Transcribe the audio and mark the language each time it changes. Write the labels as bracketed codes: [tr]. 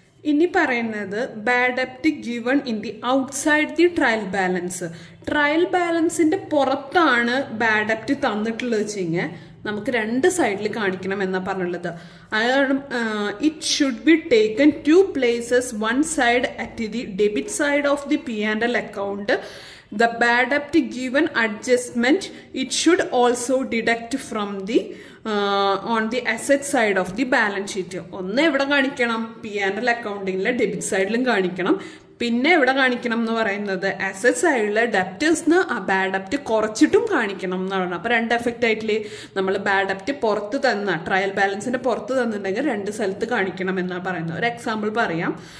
[ml] ഇനി പറയുന്നത് [en] Bad debt given in the outside the trial balance. [ml] Trial ബാലൻസിൻ്റെ പുറത്താണ് ബാഡപ്റ്റ് തന്നിട്ടുള്ളത് വെച്ച് കഴിഞ്ഞാൽ നമുക്ക് രണ്ട് സൈഡിൽ കാണിക്കണം എന്നാണ് പറഞ്ഞുള്ളത്. അതാണ് [en] It should be taken to places, one side at the debit side of the P and L account, The bad debt given adjustment, it should also deduct from the on the asset side of the balance sheet. [ml] ഒന്ന് എവിടെ കാണിക്കണം? P&L അക്കൗണ്ടിംഗിലെ debit സൈഡിലും കാണിക്കണം. പിന്നെ എവിടെ കാണിക്കണം എന്ന് പറയുന്നത് അസറ്റ് സൈഡിലെ ഡെപ്റ്റേഴ്സിന് ആ ബാഡ് ഡെപ്റ്റ് കുറച്ചിട്ടും കാണിക്കണം എന്ന് പറയുന്നത്. അപ്പൊ രണ്ട് എഫക്റ്റ് ആയിട്ടില്ല, നമ്മൾ ബാഡ് ഡെപ്റ്റ് പുറത്ത് തന്ന ട്രയൽ ബാലൻസിന്റെ പുറത്ത് തന്നിട്ടുണ്ടെങ്കിൽ രണ്ട് സ്ഥലത്ത് കാണിക്കണം എന്നാണ് പറയുന്നത്. ഒരു എക്സാമ്പിൾ പറയാം.